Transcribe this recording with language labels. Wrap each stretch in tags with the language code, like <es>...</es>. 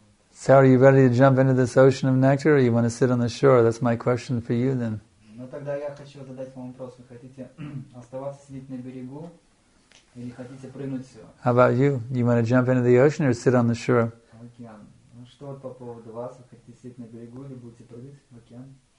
<en>So are you ready to jump into this ocean of nectar, or you want to sit on the shore? That's my question for you then.</en> <ru>Ну тогда я хочу задать вам вопрос. Вы хотите оставаться сидеть на берегу или хотите прыгнуть?</ru> <en>How about you? You want to jump into the ocean or sit on the shore?</en> <ru>Океан. Ну что по поводу вас? Вы хотите сидеть на берегу или будете прыгать в океан?</ru>